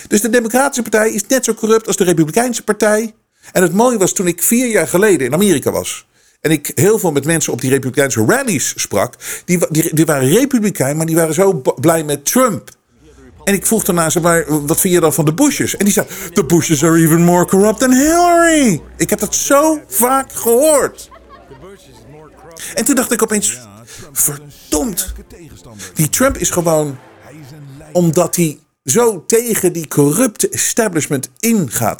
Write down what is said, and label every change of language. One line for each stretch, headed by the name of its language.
Dutch: Dus de Democratische Partij is net zo corrupt als de Republikeinse Partij. En het mooie was toen ik 4 jaar geleden in Amerika was. En ik heel veel met mensen op die Republikeinse rallies sprak. Die waren Republikein, maar die waren zo blij met Trump. En ik vroeg daarna, zeg maar, wat vind je dan van de Bushes? En die zei,
English: the Bushes are even more corrupt than Hillary.
Dutch: Ik heb dat zo vaak gehoord. En toen dacht ik opeens, verdomd. Die Trump is gewoon, omdat hij zo tegen die corrupte establishment ingaat.